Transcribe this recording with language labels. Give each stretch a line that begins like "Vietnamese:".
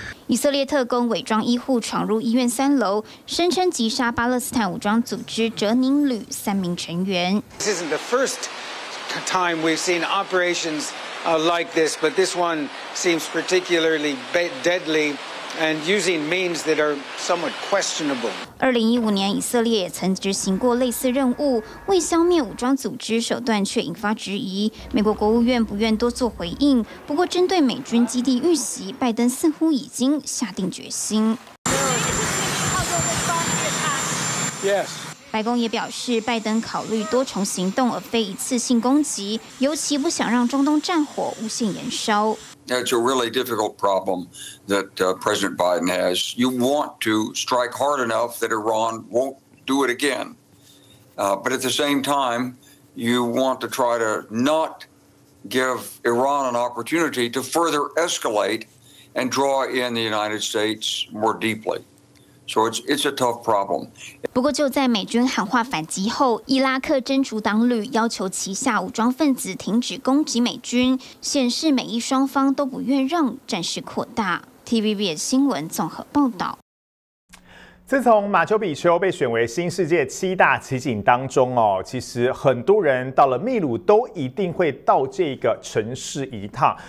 Chinese: 以色列特工伪装医护闯入医院三楼，声称击杀巴勒斯坦武装组织哲宁旅三名成员。
English: This isn't the first time we've seen operations like this, but this one seems particularly deadly. And using means that are somewhat questionable.
Chinese: 2015年，以色列也曾执行过类似任务，为消灭武装组织，手段却引发质疑。美国国务院不愿多做回应，不过针对美军基地遇袭，拜登似乎已经下定决心。
English: Yes.
Chinese: 白宫也表示，拜登考虑多重行动，而非一次性攻击，尤其不想让中东战火无限延烧。
English: That's a really difficult problem that President Biden has. You want to strike hard enough that Iran won't do it again, but at the same time, you want to try to not give Iran an opportunity to further escalate and draw in the United States more deeply. So it's a tough problem.
Chinese: 不过就在美军喊话反击后，伊拉克真主党旅要求旗下武装分子停止攻击美军，显示美伊双方都不愿让战事扩大。 TVBS 新闻综合报道。自从马丘比丘被选为新世界七大奇景当中哦，其实很多人到了秘鲁都一定会到这个城市一趟。